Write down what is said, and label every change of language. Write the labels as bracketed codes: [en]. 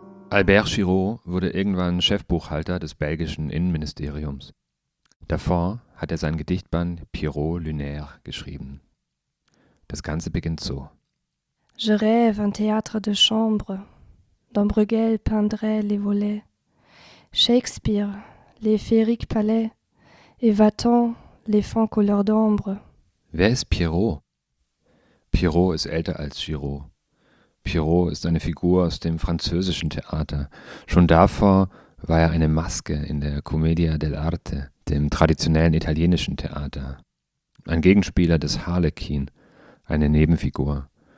[de] Albert Giraud wurde irgendwann Chefbuchhalter des belgischen Innenministeriums. Davor hat er sein Gedichtband Pierrot Lunaire geschrieben. Das Ganze beginnt so. [fr] Je rêve un théâtre de chambre, dont Bruegel peindrait les volets, Shakespeare, les féeriques palais, et Vatan, les fonds couleur d'ombre. [de] Wer ist Pierrot? Pierrot ist älter als Giraud. Pierrot ist eine Figur aus dem französischen Theater. Schon davor war er eine Maske in der Commedia dell'arte, dem traditionellen italienischen Theater. Ein Gegenspieler des Harlekin, eine Nebenfigur.